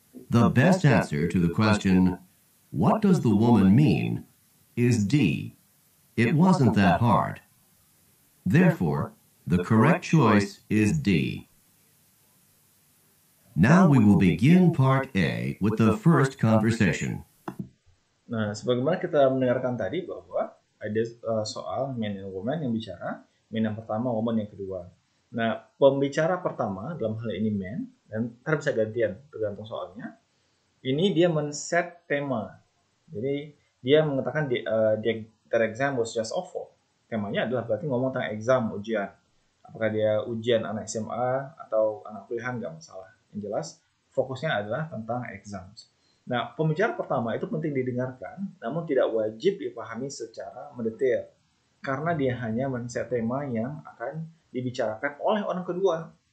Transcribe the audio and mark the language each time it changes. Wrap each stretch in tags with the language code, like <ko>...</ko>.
<en>The best answer to the question, "What does the woman mean?" is D, it wasn't that hard. Therefore, the correct choice is D. Now we will begin part A with the first conversation.</en> <id>Nah, sebagaimana kita mendengarkan tadi bahwa ada soal</id> <en>man and woman</en> <id>yang bicara, man yang pertama, woman yang kedua. Nah, pembicara pertama dalam hal ini man, dan ntar bisa gantian tergantung soalnya, ini dia men-set tema. Jadi dia mengatakan</id> <en>their exam was just awful.</en> <id>Temanya adalah berarti ngomong tentang exam, ujian. Apakah dia ujian anak SMA atau anak kuliahan, nggak masalah. Yang jelas, fokusnya adalah tentang exams. Nah, pembicara pertama itu penting didengarkan, namun tidak wajib dipahami secara mendetail. Karena dia hanya men-set tema yang akan dibicarakan oleh orang kedua.</id>